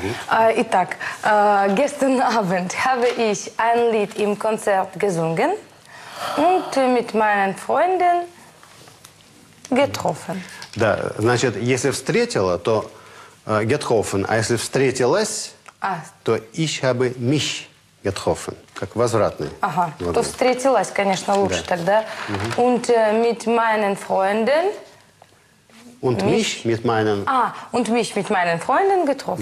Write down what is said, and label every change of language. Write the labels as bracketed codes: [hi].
[ru] Итак, [de] gestern Abend habe ich ein Lied im Konzert gesungen und mit meinen Freunden getroffen. [ru] Да, значит, если встретила, то getroffen, а если встретилась, то [de] ich habe mich getroffen, [ru] как возвратный. Ага, то встретилась, конечно, лучше тогда. [de] Und mit meinen Freunden... Und mich mit meinen... und mich mit meinen Freunden getroffen.